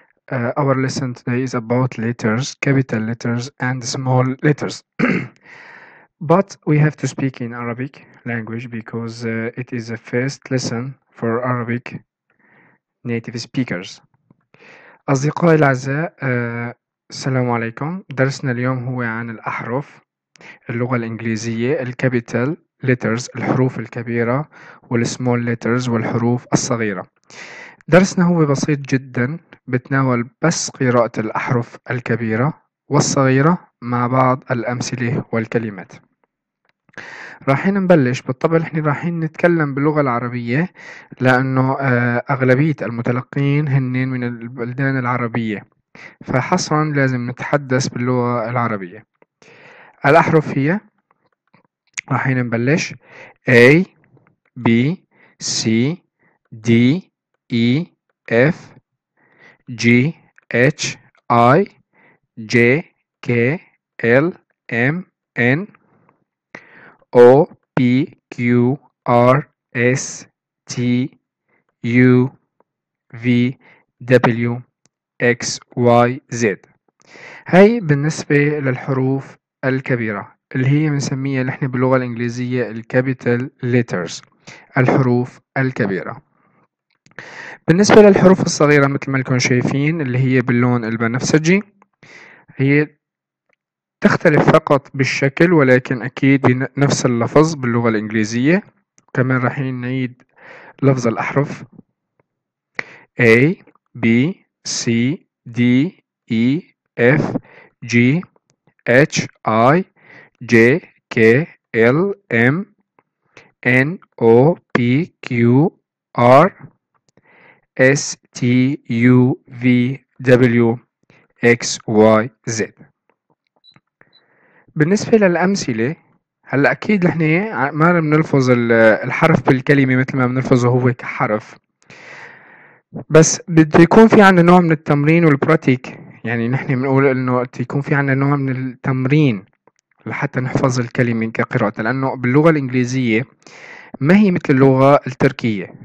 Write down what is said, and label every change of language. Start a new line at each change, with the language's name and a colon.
English: Our lesson today is about letters, capital letters and small letters. But we have to speak in Arabic language because it is the first lesson for Arabic native speakers.
Arabic: أصدقائي الأعزاء, السلام عليكم. درسنا اليوم هو عن الأحرف, اللغة الإنجليزية, الكابيتال letters, الحروف الكبيرة, والsmall letters, والحروف الصغيرة. درسنا هو بسيط جدا, بتناول بس قراءة الأحرف الكبيرة والصغيرة مع بعض الأمثلة والكلمات. راحين نبلش. بالطبع احنا راحين نتكلم باللغة العربية لأنه أغلبية المتلقين هنين من البلدان العربية, فحصرا لازم نتحدث باللغة العربية. الأحرف هي, راحين نبلش, A B C D E F G H I J K L M N O P Q R S T U V W X Y Z. هاي بالنسبة للحروف الكبيرة اللي هي بنسميها نحن باللغة الإنجليزية الكابيتال ليترز, الحروف الكبيرة. بالنسبة للحروف الصغيرة مثل ما لكم شايفين اللي هي باللون البنفسجي, هي تختلف فقط بالشكل ولكن أكيد بنفس اللفظ باللغة الإنجليزية. كمان راحين نعيد لفظ الأحرف A B C D E F G H I J K L M N O P Q R S T U V W X Y Z. بالنسبة للأمثلة, هلا أكيد نحن ما بنلفظ الحرف بالكلمة مثل ما بنلفظه هو كحرف, بس بده يكون في عندنا نوع من التمرين والبراتيك. يعني نحن بنقول إنه يكون في عندنا نوع من التمرين لحتى نحفظ الكلمة كقراءة, لأنه باللغة الإنجليزية ما هي مثل اللغة التركية.